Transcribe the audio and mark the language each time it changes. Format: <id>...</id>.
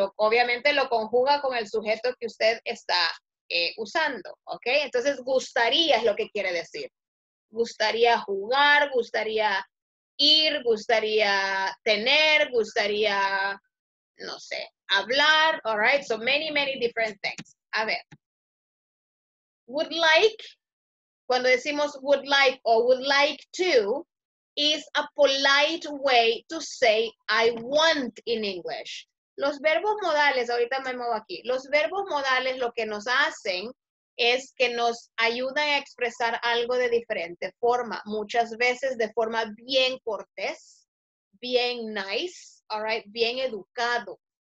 <es>Obviamente lo conjuga con el sujeto que usted está usando. ¿Ok? Entonces, gustaría es lo que quiere decir. Gustaría jugar, gustaría ir, gustaría tener, gustaría, no sé, hablar.</es> <en>All right, so many, many different things.</en> <es>A ver,</es> <en>would like,</en> <es>cuando decimos</es> <en>would like or would like to, is a polite way to say I want in English.</en> <es>Los verbos modales, ahorita me muevo aquí, los verbos modales lo que nos hacen es que nos ayudan a expresar algo de diferente forma, muchas veces de forma bien cortés, bien nice,</es> <en>all right,</en> <es>bien educado.</es>